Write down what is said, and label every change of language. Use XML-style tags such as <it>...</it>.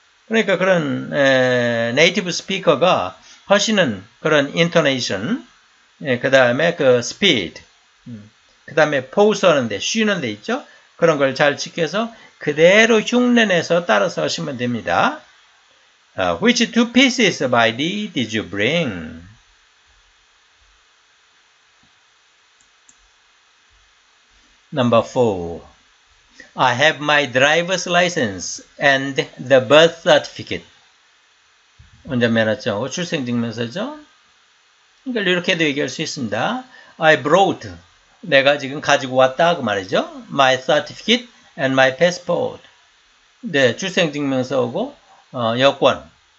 <ko>그러니까 그런 네이티브 스피커가 하시는 그런 인토네이션, 그 다음에 그 스피드, 그 다음에 포우스하는데 쉬는데 있죠. 그런 걸 잘 지켜서 그대로 흉내내서 따라서 하시면 됩니다.</ko> <en>Which two pieces of ID did you bring? 4. I have my driver's license and the birth certificate.</en> <ko>운전면허증, 출생증명서죠. 그러니까 이렇게도 얘기할 수 있습니다.</ko> <en>I brought,</en> <ko>내가 지금 가지고 왔다 그 말이죠.</ko> <en>My certificate and my passport.</en> <ko>네, 출생증명서고 여권.</ko>